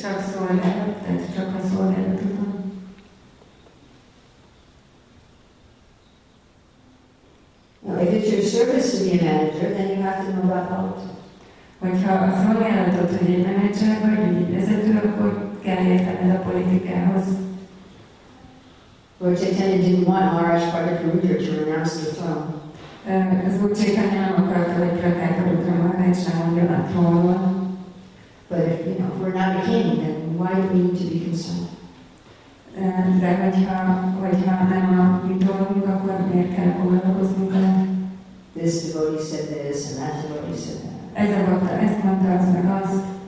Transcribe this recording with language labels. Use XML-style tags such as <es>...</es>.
<hu>Csak szolgálat, csak a szolgálatot.</hu> <en>Now, if it's your service to be a manager, then you have to know about politics.</en> <hu>Hogyha a szolgálatot, hogy egy manager vagy, egy vezető, akkor kell értened a politikához.</hu> <en>Lord Chaitanya didn't want Maharaj Prataparudra to renounce the throne.</en> <hu>Lord Chaitanya akarta, hogy Prataparudra Maharajsa mondja a trónról.</hu> <en>But if, you know, if we're not a king, then why do we need to be concerned?</en> <hu>De hogyha nem a mi trónunk, akkor miért kell foglalkoznunk el?</hu> <en>This devotee said this, and that devotee said that.</en> <hu>Ez a bhakta, ezt mondta, az meg azt.</hu>